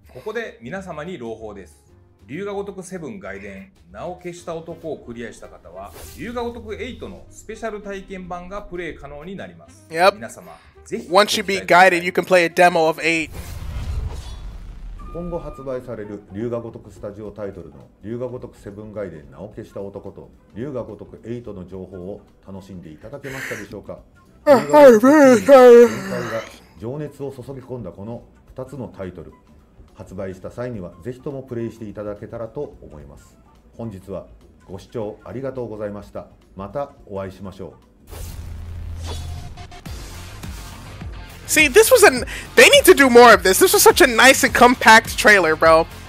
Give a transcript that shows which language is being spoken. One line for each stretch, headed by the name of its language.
Japanese: ここで皆様に朗報です。龍が如く7外伝名を消した男をクリアした方は龍が如く8のスペシャル体験版がプレイ可能になります、
English: yep.
Japanese: 皆様
English: Once you beat Guided, you can play a demo of
Japanese: 8今後発売される龍が如くスタジオタイトルの龍が如く7外伝名を消した男と龍が如く8の情報を楽しんでいただけましたでしょうか龍が如くが情熱を注ぎ込んだこの2つのタイトル発売した際にはぜひともプレイしていただけたらと思います。本日はご視聴ありがとうございました。またお会いしましょう。
English: See, this was they need to do more of this. This was such a nice and compact trailer, bro.